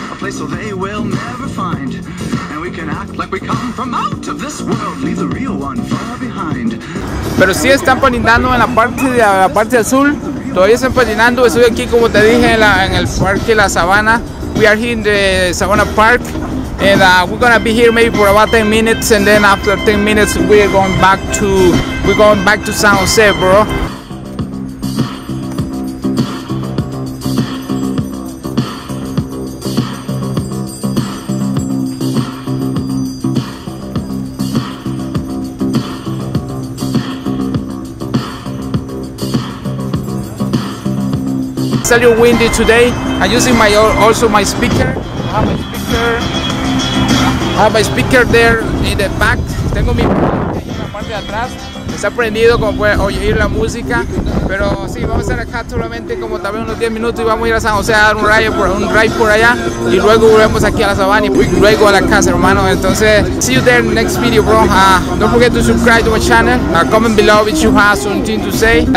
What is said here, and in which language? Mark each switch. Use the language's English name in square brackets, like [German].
[English] So they will never find, and we can act like we come from out of this world, leave the real one far behind. [Spanish] Pero sí están patinando en la parte azul, todavía están patinando. Estoy aquí, como te dije, en el parque La Sabana. [English] We are here in the Savannah Park, and we're gonna be here maybe for about 10 minutes, and then after 10 minutes we're going back to San Jose, bro. It's a little windy today. I'm using my speaker. I have my speaker there in the back. [Spanish] Tengo mi parte de atrás. Está prendido como puede oír la música. Pero sí, vamos a estar acá solamente como tal vez unos 10 minutos y vamos a ir a San José a dar un ride por allá. Y luego volvemos aquí a la sabana y luego a la casa, hermano. Entonces, [English] see you there in the next video, bro. Don't forget to subscribe to my channel. Comment below if you have something to say.